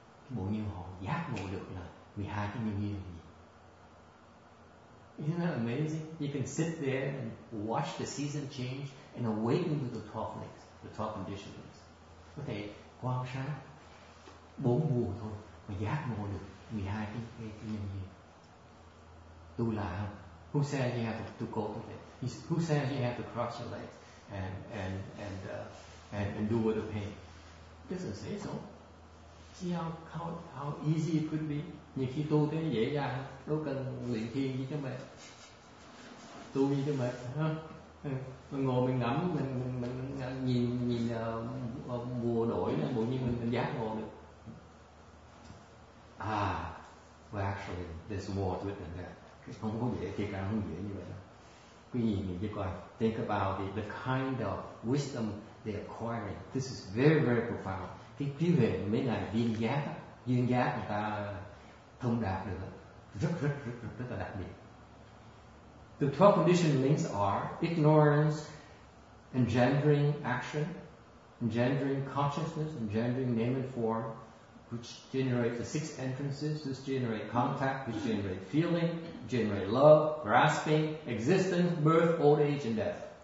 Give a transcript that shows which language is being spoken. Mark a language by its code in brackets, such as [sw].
[vi] muốn như họ giác ngộ được là 12 cái nguyên lý là gì. [en] Isn't that amazing? You can sit there and watch the season change and awaken to the 12 links, the 12 conditions. [vi] Có thể quan sát bốn mùa thôi mà giác ngộ được 12 cái nguyên lý. Tu là không? [en] Who says you have to go with it? Who says you have to cross your legs and endure the pain? Doesn't say so. See how easy it could be. [vi] Nhiều khi tu thế dễ dàng, đâu cần luyện thiền gì cho mệt. Tu gì cho mệt? Mình ngồi mình ngắm, mình nhìn mùa đổi, bộ như mình giác ngộ được. [en] Well, actually, there's more to it than that. [vi] Không có dễ, thiệt là không dễ như vậy đâu. Quý vị nhìn cho coi. [en] Think about the kind of wisdom they acquire. This is very, very profound. [vi] Cái trí huệ mấy ngày viên giác, duyên giác người ta thông đạt được rất là đặc biệt. [en] The 12 condition links are ignorance, engendering action, engendering consciousness, engendering name and form, which generate the six entrances, which generate contact, which generate feeling, generate love, grasping, existence, birth, old age, and death.